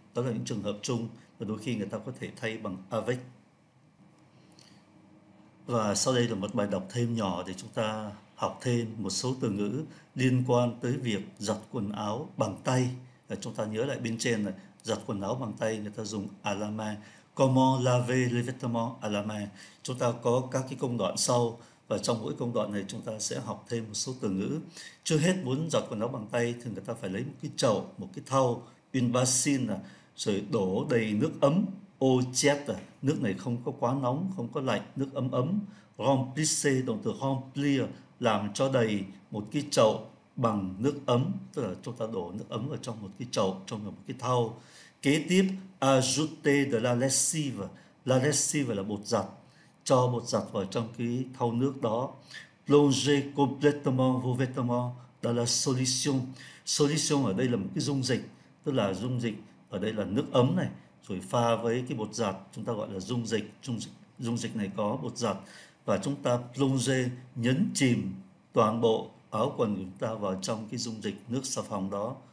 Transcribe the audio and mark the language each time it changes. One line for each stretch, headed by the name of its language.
Vietnamese: Đó là những trường hợp chung và đôi khi người ta có thể thay bằng avec. Và sau đây là một bài đọc thêm nhỏ để chúng ta học thêm một số từ ngữ liên quan tới việc giặt quần áo bằng tay. Chúng ta nhớ lại bên trên này, giặt quần áo bằng tay người ta dùng à la main.
French: Comment laver les vêtements à la main?
Vietnamese: Chúng ta có các cái công đoạn sau và trong mỗi công đoạn này chúng ta sẽ học thêm một số từ ngữ. Chưa hết, muốn giặt quần áo bằng tay thì người ta phải lấy một cái chậu, một cái thau, une bassine, rồi đổ đầy nước ấm, eau chaude, nước này không có quá nóng, không có lạnh, nước ấm ấm. Remplissez, động từ remplir, làm cho đầy một cái chậu bằng nước ấm, tức là chúng ta đổ nước ấm ở trong một cái chậu, trong một cái thau. Kế tiếp,
French: ajouter de la lessive. La lessive
Vietnamese: là bột giặt. Cho bột giặt vào trong cái thau nước đó.
French: Plonger complètement vos vêtements dans la solution.
Vietnamese: Solution ở đây là một cái dung dịch, tức là dung dịch ở đây là nước ấm này, rồi pha với cái bột giặt, chúng ta gọi là dung dịch. Dung dịch này có bột giặt, và chúng ta plonger, nhấn chìm toàn bộ áo quần của chúng ta vào trong cái dung dịch nước xà phòng đó.